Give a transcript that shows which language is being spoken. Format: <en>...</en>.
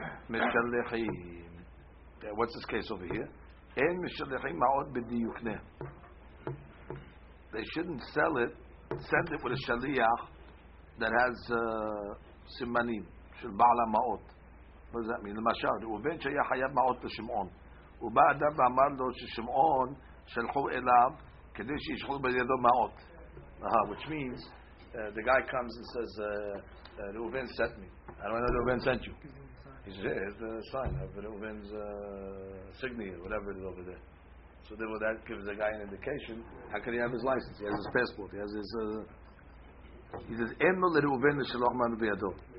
<en>Mishalchim. What's this case over here?</en> <he>En Mishalchim Ma'od Bedu Yukne.</he> <en>They shouldn't sell it. Send it with a shaliach that has simanim.</en> <he>Shel Ba'ala Ma'ot.</he> <en>What does that mean? The Mashal.</en> <he>Uven Shaya Hayab Ma'ot Shimon. ובא אדם ואמר לו ששמעון שלחו אליו כדי שישחו בידו מעות.</he> <en>Which means the guy comes and says, Reuven sent me. I don't know Reuven sent you. Here's the sign of Reuven's signature, whatever it is over there. So therefore that gives the guy an indication. How can he have his license? He has his passport. He has his... He says,</en> <he>"Emel le Reuven shaloch manu v'yado."</he>